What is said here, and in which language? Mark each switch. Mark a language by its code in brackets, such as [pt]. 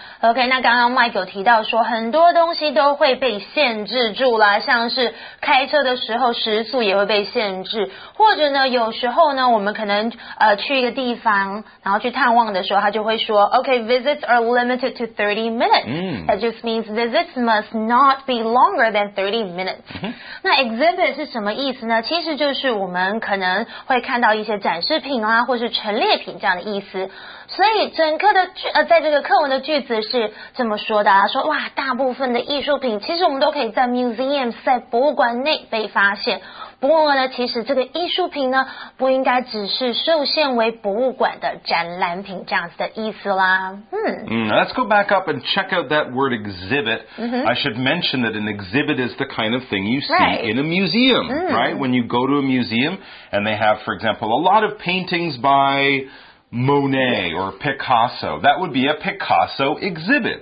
[zh] OK， 那刚刚 Mike 有提到说，很多东西都会被限制住啦，像是开车的时候时速也会被限制，或者呢，有时候呢，我们可能去一个地方，然后去探望的时候，他就会说 ，OK， [en] visits are limited to 30 minutes.、 Mm. That just means visits must not be longer than 30 minutes.、 Mm-hmm. [zh] 那 exhibit 是什么意思呢？其实就是我们可能会看到一些展示品啊，或是陈列品这样的意思。所以整个的句在这个课文的句子是这么说的啊，说哇，大部分的艺术品其实我们都可以在 museums 在博物馆内被发现。不过呢，其实这个艺术品呢，不应该只是受限为博物馆的展览品这样子的意思啦。 [en] Let's go back up and check out that word exhibit.、 Mm-hmm. I should mention that an exhibit is the kind of thing you see in a museum,、 mm. right? When you go to a museum and they have, for example, a lot of paintings by Monet or Picasso, that would be a Picasso exhibit.